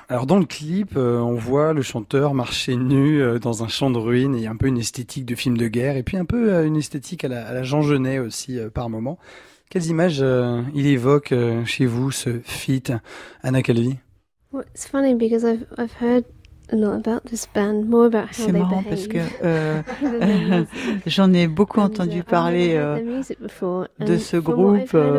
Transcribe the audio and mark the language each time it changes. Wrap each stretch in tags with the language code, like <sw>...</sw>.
<fr>Alors dans le clip, on voit le chanteur marcher nu dans un champ de ruines, et un peu une esthétique de film de guerre, et puis un peu une esthétique à la Jean Genet aussi par moment. Quelles images il évoque chez vous ce feat, Anna Calvi?</fr> <en>It's funny because I've heard a lot about this band, more about how</en> <fr>c'est marrant</fr> <en>they behave</en> <fr>parce que j'en ai beaucoup entendu parler de ce groupe.</fr>